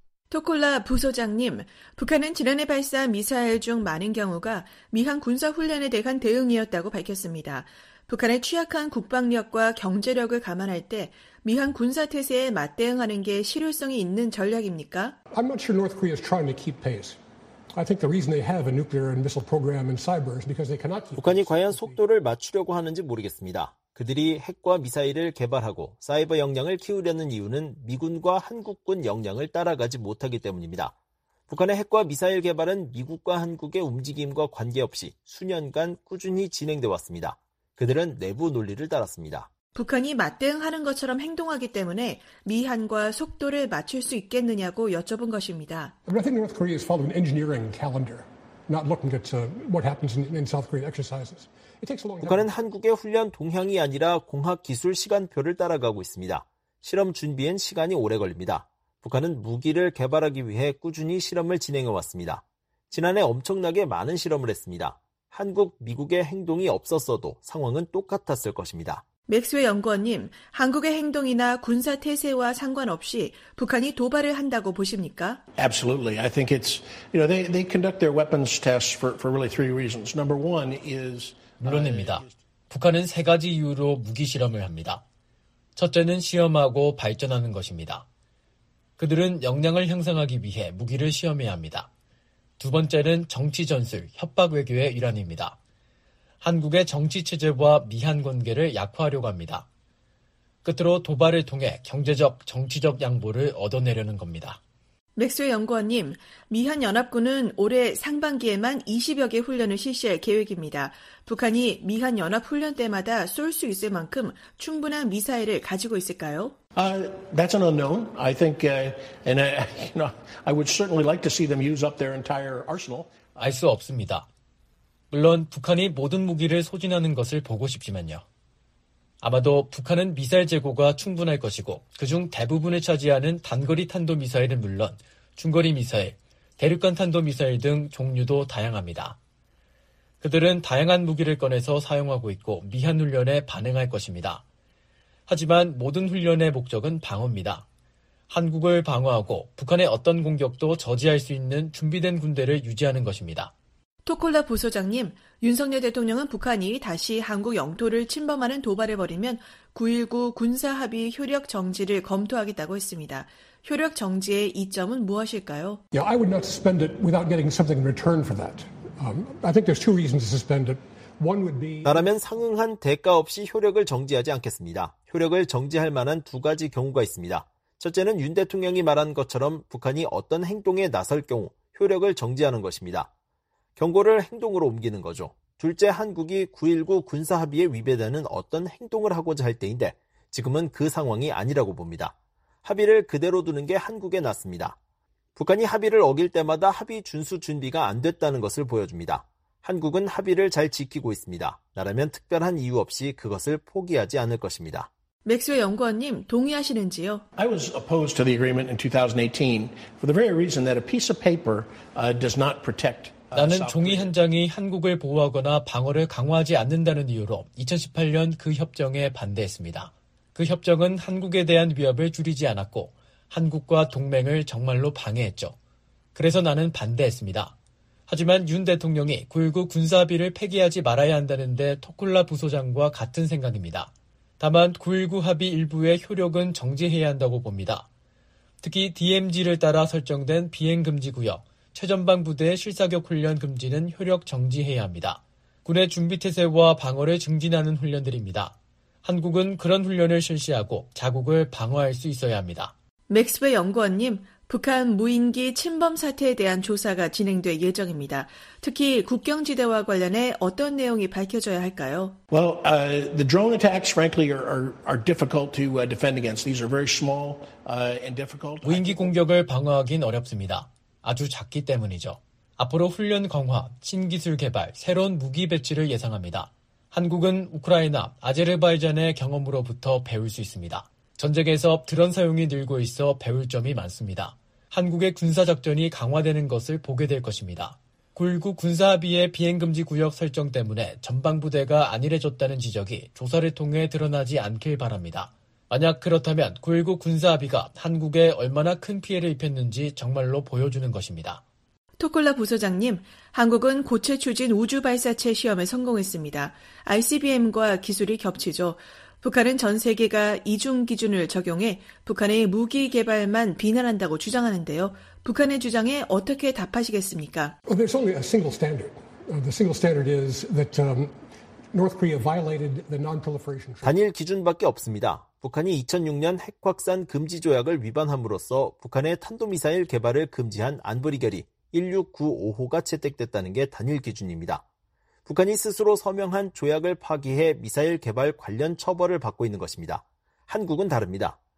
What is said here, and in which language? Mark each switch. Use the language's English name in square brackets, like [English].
[Korean] 토콜라 부소장님, 북한은 지난해 발사한 미사일 중 많은 경우가 미한 군사훈련에 대한 대응이었다고 밝혔습니다. 북한의 취약한 국방력과 경제력을 감안할 때 미한 군사태세에 맞대응하는 게 실효성이 있는 전략입니까? [English] I'm not sure North Korea is trying to keep pace. I think the reason they have a nuclear and missile program in cyber is because they cannot keep [Korean] 북한이 과연 속도를 맞추려고 하는지 모르겠습니다. 그들이 핵과 미사일을 개발하고 사이버 역량을 키우려는 이유는 미군과 한국군 역량을 따라가지 못하기 때문입니다. 북한의 핵과 미사일 개발은 미국과 한국의 움직임과 관계없이 수년간 꾸준히 진행돼 왔습니다. 그들은 내부 논리를 따랐습니다. 북한이 맞대응하는 것처럼 행동하기 때문에 미한과 속도를 맞출 수 있겠느냐고 여쭤본 것입니다. [English] I think North Korea is following an engineering calendar, not looking at what happens in South Korea exercises. [Korean] 북한은 한국의 훈련 동향이 아니라 공학 기술 시간표를 따라가고 있습니다. 실험 준비엔 시간이 오래 걸립니다. 북한은 무기를 개발하기 위해 꾸준히 실험을 진행해왔습니다. 지난해 엄청나게 많은 실험을 했습니다. 한국, 미국의 행동이 없었어도 상황은 똑같았을 것입니다. 맥스웨 연구원님, 한국의 행동이나 군사 태세와 상관없이 북한이 도발을 한다고 보십니까? [English] Absolutely. I think it's, you know, they conduct their weapons tests for really three reasons. Number one is [Korean] 물론입니다. 북한은 세 가지 이유로 무기 실험을 합니다. 첫째는 시험하고 발전하는 것입니다. 그들은 역량을 향상하기 위해 무기를 시험해야 합니다. 두 번째는 정치 전술, 협박 외교의 일환입니다. 한국의 정치 체제와 미한 관계를 약화하려고 합니다. 끝으로 도발을 통해 경제적, 정치적 양보를 얻어내려는 겁니다. 맥스웨 연구원님, 미한 연합군은 올해 상반기에만 20여 개 훈련을 실시할 계획입니다. 북한이 미한 연합 훈련 때마다 쏠 수 있을 만큼 충분한 미사일을 가지고 있을까요? [English] That's an unknown. I think I would certainly like to see them use up their entire arsenal. [Korean] 알 수 없습니다. 물론 북한이 모든 무기를 소진하는 것을 보고 싶지만요. 아마도 북한은 미사일 재고가 충분할 것이고 그중 대부분을 차지하는 단거리 탄도미사일은 물론 중거리 미사일, 대륙간 탄도미사일 등 종류도 다양합니다. 그들은 다양한 무기를 꺼내서 사용하고 있고 미한 훈련에 반응할 것입니다. 하지만 모든 훈련의 목적은 방어입니다. 한국을 방어하고 북한의 어떤 공격도 저지할 수 있는 준비된 군대를 유지하는 것입니다. 토콜라 부소장님, 윤석열 대통령은 북한이 다시 한국 영토를 침범하는 도발을 벌이면 9.19 군사합의 효력 정지를 검토하겠다고 했습니다. 효력 정지의 이점은 무엇일까요? [English] Yeah, I would not suspend it without getting something in return for that. I think there's two reasons to suspend it. One would be [Korean] 나라면 상응한 대가 없이 효력을 정지하지 않겠습니다. 효력을 정지할 만한 두 가지 경우가 있습니다. 첫째는 윤 대통령이 말한 것처럼 북한이 어떤 행동에 나설 경우 효력을 정지하는 것입니다. 경고를 행동으로 옮기는 거죠. 둘째, 한국이 9.19 군사합의에 위배되는 어떤 행동을 하고자 할 때인데 지금은 그 상황이 아니라고 봅니다. 합의를 그대로 두는 게 한국에 낫습니다. 북한이 합의를 어길 때마다 합의 준수 준비가 안 됐다는 것을 보여줍니다. 한국은 합의를 잘 지키고 있습니다. 나라면 특별한 이유 없이 그것을 포기하지 않을 것입니다. 맥스웨 연구원님, 동의하시는지요? [English] I was opposed to the agreement in 2018 for the very reason that a piece of paper does not protect [Korean] 나는 종이 한 장이 한국을 보호하거나 방어를 강화하지 않는다는 이유로 2018년 그 협정에 반대했습니다. 그 협정은 한국에 대한 위협을 줄이지 않았고 한국과 동맹을 정말로 방해했죠. 그래서 나는 반대했습니다. 하지만 윤 대통령이 9.19 군사합의를 폐기하지 말아야 한다는데 토콜라 부소장과 같은 생각입니다. 다만 9.19 합의 일부의 효력은 정지해야 한다고 봅니다. 특히 DMZ를 따라 설정된 비행금지구역, 최전방 부대의 실사격 훈련 금지는 효력 정지해야 합니다. 군의 준비태세와 방어를 증진하는 훈련들입니다. 한국은 그런 훈련을 실시하고 자국을 방어할 수 있어야 합니다. 맥스베 연구원님, 북한 무인기 침범 사태에 대한 조사가 진행될 예정입니다. 특히 국경지대와 관련해 어떤 내용이 밝혀져야 할까요? [English] Well, the drone attacks, frankly, are difficult to defend against. These are very small and difficult. [Korean] 무인기 공격을 방어하긴 어렵습니다. 아주 작기 때문이죠. 앞으로 훈련 강화, 신기술 개발, 새로운 무기 배치를 예상합니다. 한국은 우크라이나, 아제르바이잔의 경험으로부터 배울 수 있습니다. 전쟁에서 드론 사용이 늘고 있어 배울 점이 많습니다. 한국의 군사작전이 강화되는 것을 보게 될 것입니다. 9.19 군사합의의 비행금지 구역 설정 때문에 전방부대가 안일해졌다는 지적이 조사를 통해 드러나지 않길 바랍니다. 만약 그렇다면 9.19 군사합의가 한국에 얼마나 큰 피해를 입혔는지 정말로 보여주는 것입니다. 토콜라 부소장님, 한국은 고체 추진 우주 발사체 시험에 성공했습니다. ICBM과 기술이 겹치죠. 북한은 전 세계가 이중 기준을 적용해 북한의 무기 개발만 비난한다고 주장하는데요. 북한의 주장에 어떻게 답하시겠습니까? [English] Well, there's only a single standard. The single standard is that North Korea violated the non-proliferation treaty. [Korean] 단일 기준밖에 없습니다. 북한이 2006년 핵확산 금지 조약을 위반함으로써 북한의 탄도미사일 개발을 금지한 안보리결의 16955가 채택됐다는 게 단일 기준입니다. 북한이 스스로 서명한 조약을 파기해 미사일 개발 관련 처벌을 받고 있는 것입니다. 한국은 다릅니다.